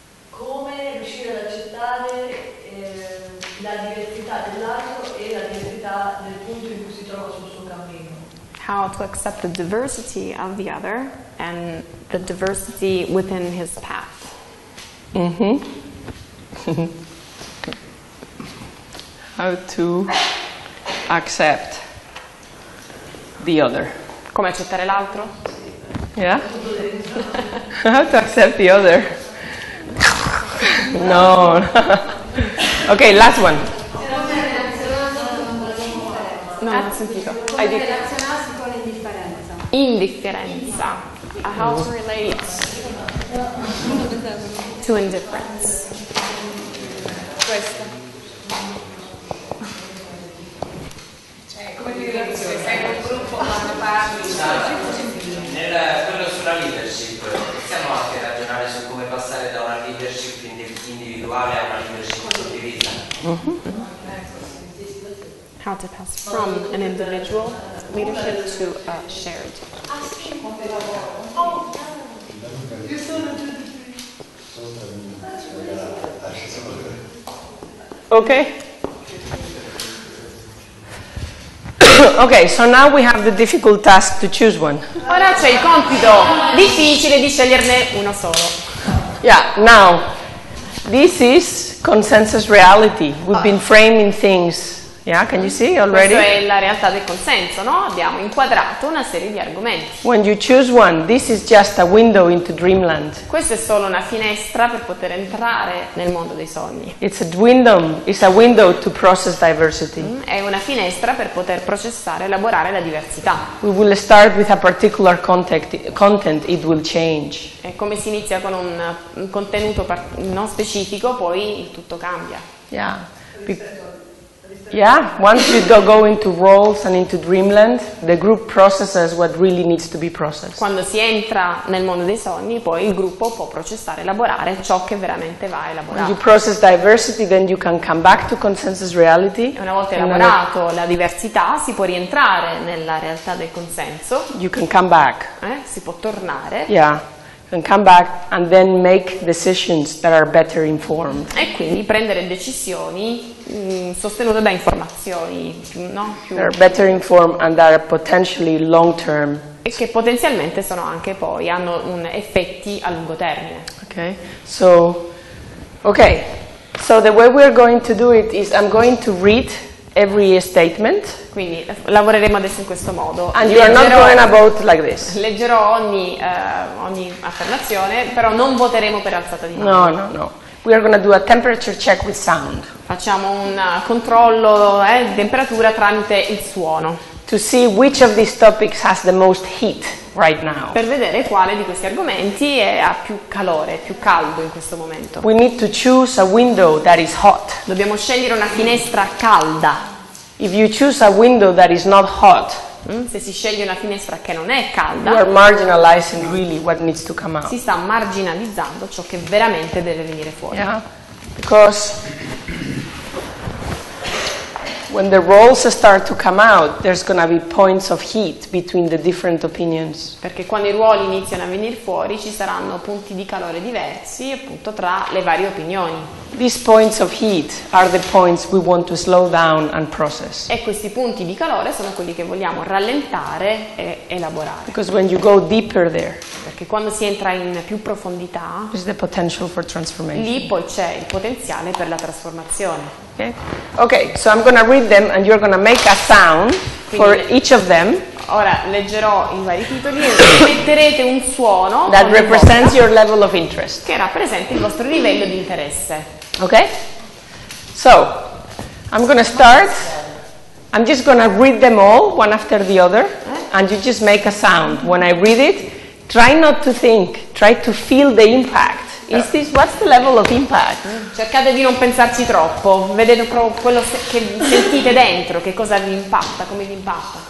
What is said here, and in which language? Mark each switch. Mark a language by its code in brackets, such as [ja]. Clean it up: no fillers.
[it] Come riuscire ad accettare la diversità dell'altro e la diversità del punto in cui si trova sul suo cammino? [en] How to accept the diversity of the other and the diversity within his path? How to accept the other? [it] Come accettare l'altro? [en] Yeah? How to accept the other? No. Okay, last one. [it] No, non ho sentito. Come relazionarsi con l'indifferenza? [en] Indifferenza. How to relate to indifference? [it] Questa. Nel quello sulla leadership possiamo anche ragionare su come passare da una leadership individuale a una leadership condivisa. [en] How to pass from an individual leadership to a shared. Okay. Okay, so now we have the difficult task to choose one. [it] Ora c'è il compito difficile di sceglierne uno solo. [en] Yeah, now, this is consensus reality. We've been framing things. Yeah, can you see already? [it] Questa è la realtà del consenso, no? Abbiamo inquadrato una serie di argomenti. [en] When you choose one, this is just a window into dreamland. [it] Questa è solo una finestra per poter entrare nel mondo dei sogni. [en] It's a window to process diversity. [it] È una finestra per poter processare, elaborare la diversità. [en] We will start with a particular content, it will change. [it] E come si inizia con un contenuto non specifico, poi il tutto cambia. [en] Yeah. Yeah, once you go into roles and into dreamland, the group processes what really needs to be processed. [it] Quando si entra nel mondo dei sogni, poi il gruppo può processare, elaborare ciò che veramente va elaborato. [en] When you process diversity, then you can come back to consensus reality. [it] Una volta elaborato la diversità, si può rientrare nella realtà del consenso. [en] You can come back. [it] Si può tornare. [en] Yeah. And come back and then make decisions that are better informed. [it] E quindi prendere decisioni sostenute da informazioni più [en] that are better informed and that are potentially long term. [it] E che potenzialmente sono anche poi hanno un effetti a lungo termine. [en] Okay. So okay. So the way we're going to do it is I'm going to read every statement. [it] Quindi lavoreremo adesso in questo modo. [en] And you are not going to vote like this. [it] Leggerò ogni affermazione, però non voteremo per alzata di mano. [en] No. We are going to do a temperature check with sound. [it] Facciamo un controllo di temperatura tramite il suono. [en] To see which of these topics has the most heat right now. [it] Per vedere quale di questi argomenti ha più calore, più caldo in questo momento. [en] We need to choose a window that is hot. [it] Dobbiamo scegliere una finestra calda. [en] If you choose a window that is not hot, [it] se si sceglie una finestra che non è calda, [en] you are marginalizing really what needs to come out. [it] Si sta marginalizzando ciò che veramente deve venire fuori. [en] Yeah. Because when the roles start to come out, there's going to be points of heat between the different opinions. [it] Perché quando i ruoli iniziano a venire fuori, ci saranno punti di calore diversi, appunto, tra le varie opinioni. [en] These points of heat are the points we want to slow down and process. [it] E questi punti di calore sono quelli che vogliamo rallentare e elaborare. [en] Because when you go deeper there, [it] perché quando si entra in più profondità, [en] there's the potential for transformation. [it] Lì poi c'è il potenziale per la trasformazione. [en] Okay, so I'm going to read them and you're going to make a sound. [it] Quindi [en] for each of them. [it] Ora leggerò i vari titoli e metterete un suono [en] that represents your level of interest. [it] Che rappresenta il vostro livello di interesse. [en] Okay? So, I'm going to start. I'm just going to read them all one after the other and you just make a sound when I read it. Try not to think, try to feel the impact. Is this, what's the level of impact? [it] Cercate di non pensarci troppo, vedete proprio quello che sentite dentro, che cosa vi impatta, come vi impatta.